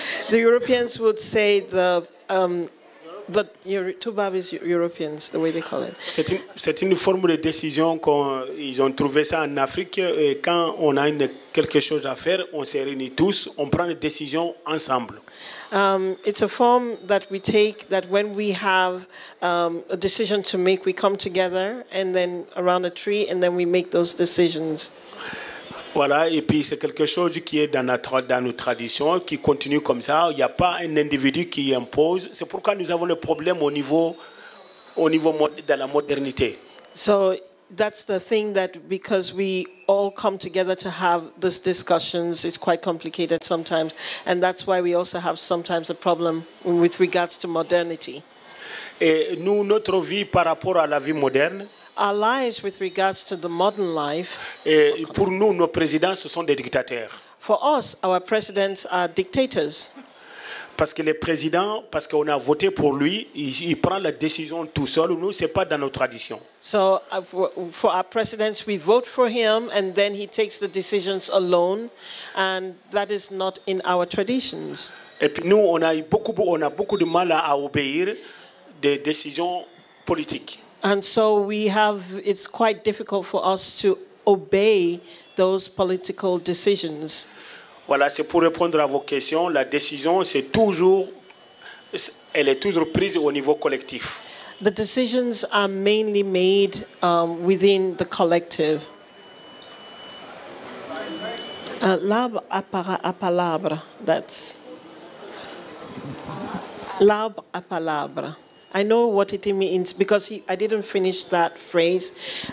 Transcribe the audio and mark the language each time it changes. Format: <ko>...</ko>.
<en>The Europeans would say Tubab is Europeans, the way they call it.</en> <fr>C'est une forme de décision qu'ils ont trouvé ça en Afrique. Et quand on a quelque chose à faire, on se réunit tous, on prend une décision ensemble.</fr> <en>It's a form that we take that when we have a decision to make, we come together and then around a tree and then we make those decisions.</en> <fr>Voilà, et puis c'est quelque chose qui est dans nos traditions, qui continue comme ça. Il n'y a pas un individu qui impose. C'est pourquoi nous avons le problème au niveau de la modernité.</fr> <en>So that's the thing, that because we all come together to have these discussions, it's quite complicated sometimes, and that's why we also have sometimes a problem with regards to modernity.</en> <fr>Et nous, notre vie par rapport à la vie moderne.</fr> <en>Our lives with regards to the modern life.</en> <fr>Et pour nous, nos présidents, ce sont des dictateurs.</fr> <en>For us, our presidents are dictators.</en> <fr>Parce que le président, parce qu'on a voté pour lui, il prend la décision tout seul. Nous, c'est pas dans nos traditions.</fr> <en>So for our presidents, we vote for him, and then he takes the decisions alone, and that is not in our traditions.</en> <fr>Et puis nous, on a beaucoup de mal à obéir des décisions politiques.</fr> <en>And so it's quite difficult for us to obey those political decisions.</en> <fr>Voilà, c'est pour répondre à vos questions. La décision, elle est toujours prise au niveau collectif.</fr> <en>The decisions are mainly made within the collective.</en> <fr>L'arbre à palabre,</fr> <en>that's. L'arbre à palabre. I know what it means because I didn't finish that phrase.</en>